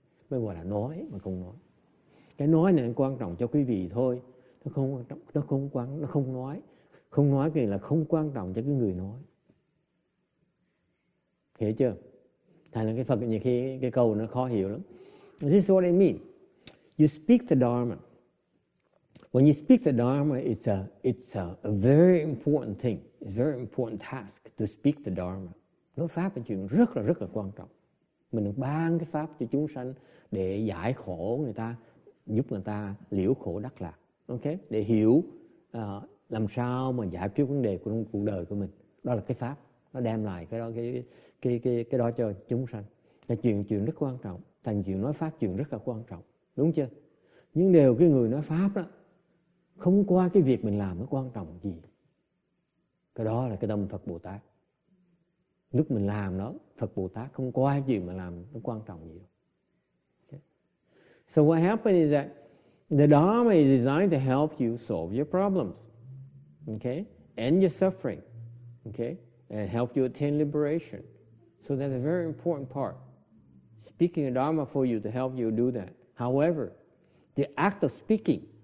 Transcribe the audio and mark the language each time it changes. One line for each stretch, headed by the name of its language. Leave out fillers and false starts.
Vietnamese: Mới gọi là nói mà không nói. Cái nói này quan trọng cho quý vị thôi. Nó không nói. Không nói thì là không quan trọng cho cái người nói. Hiểu chưa? Thành là cái Phật nhiều khi cái câu nó khó hiểu lắm.
English: This is what I mean. You speak the Dharma. When you speak the Dharma, it's a very important thing. It's a very important task to speak the Dharma.
Vietnamese: Nói pháp là chuyện rất là quan trọng. Mình ban cái pháp cho chúng sanh để giải khổ người ta, giúp người ta liễu khổ đắc lạc. Ok? Để hiểu làm sao mà giải quyết vấn đề của cuộc đời của mình. Đó là cái pháp. Nó đem lại cái đó cho chúng sanh. Là chuyện rất quan trọng. Thành chuyện nói pháp chuyện rất là quan trọng. Đúng chưa? Nhưng đều cái người nói pháp đó không qua cái việc mình làm nó quan trọng gì. Cái đó là cái tâm Phật Bồ Tát. Lúc mình làm đó, Phật Bồ Tát không có ai gì mà làm nó quan trọng gì đâu.
English: Okay. So what happened is that the Dharma is designed to help you solve your problems, okay, and your suffering, okay, and help you attain liberation. So that's a very important part. Speaking the Dharma for you to help you do that. However, the act of speaking